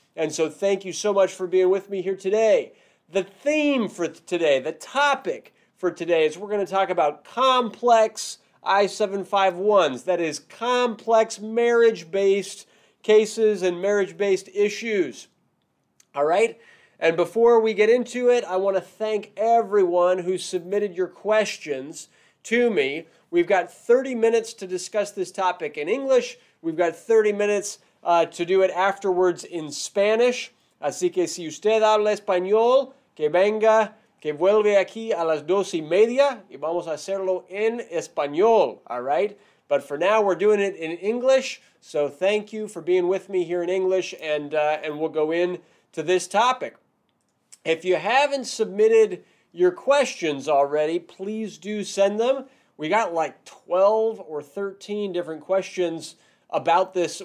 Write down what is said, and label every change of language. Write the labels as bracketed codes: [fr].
[en] And so thank you so much for being with me here today. The theme for today, the topic for today, is we're going to talk about complex I-751s, that is, complex marriage-based cases and marriage-based issues. All right? And before we get into it, I want to thank everyone who submitted your questions to me. We've got 30 minutes to discuss this topic in English. We've got 30 minutes to do it afterwards in Spanish. [es] Así que si usted habla español, que venga, que vuelve aquí a las 12:30 y vamos a hacerlo en español, all right? [en] But for now, we're doing it in English. So thank you for being with me here in English, and we'll go in to this topic. If you haven't submitted your questions already, please do send them. We got like 12 or 13 different questions about this.